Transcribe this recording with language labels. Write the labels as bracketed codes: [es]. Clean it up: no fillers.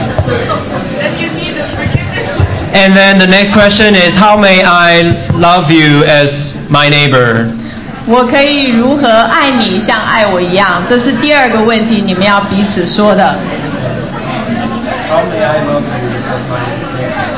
[en] And then the next question is, how may I love you as my neighbor? [zh] 我可以如何爱你像爱我一样？这是第二个问题，你们要彼此说的。 [en] How may I love you as my neighbor?